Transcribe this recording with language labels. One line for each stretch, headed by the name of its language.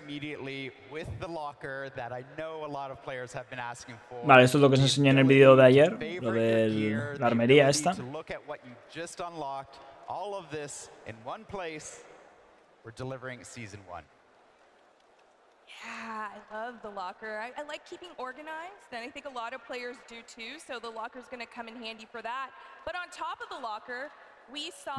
English: Immediately with the locker that I know a lot of players have been asking for.
Spanish: Vale, esto es lo que os enseñé en el video de ayer, lo de la armería esta.
English: Look at what you just unlocked. All of this in one place. We're delivering Season 1. Yeah, I love the locker. I like keeping organized, and I think a lot of players do too, so the locker is going to come in handy for that. But on top of the locker, we saw